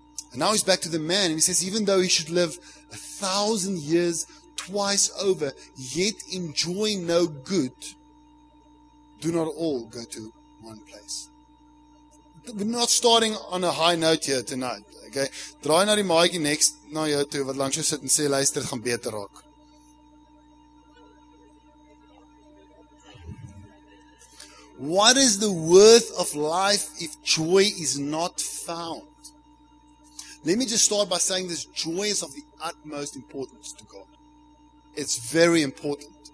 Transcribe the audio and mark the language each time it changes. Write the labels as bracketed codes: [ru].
[en] And now he's back to the man, and he says, even though he should live 1,000 years twice over, yet enjoy no good, do not all go to one place. We're not starting on a high note here tonight. Okay? [af] Draai na die maatjie next na jou toe wat langs jou sit en sê, luister, gaan beter raak. [en] What is the worth of life if joy is not found? Let me just start by saying this. Joy is of the utmost importance to God. It's very important.